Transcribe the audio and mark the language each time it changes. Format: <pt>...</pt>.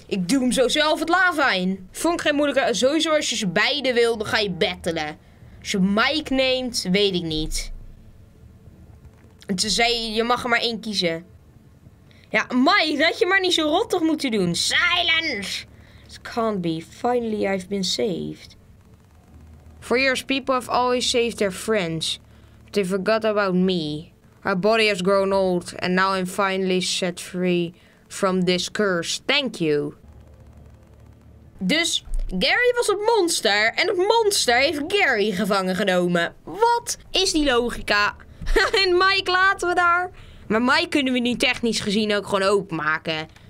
<nl>Ik duw hem zo zelf het lava in. Vond ik geen moeilijke. Sowieso als je ze beide wil, dan ga je battelen. Als je Mike neemt, weet ik niet. En ze zei, je mag er maar één kiezen. Ja, Mike, dat je maar niet zo rottig moet doen.</nl> <en>Silence! It can't be. Finally, I've been saved. For years, people have always saved their friends. But they forgot about me. My body has grown old, and now I'm finally set free from this curse. Thank you.</en> <nl>Dus, Gary was het monster, en het monster heeft Gary gevangen genomen. Wat is die logica? En Mike laten we daar. Maar Mike kunnen we nu technisch gezien ook gewoon openmaken.</nl>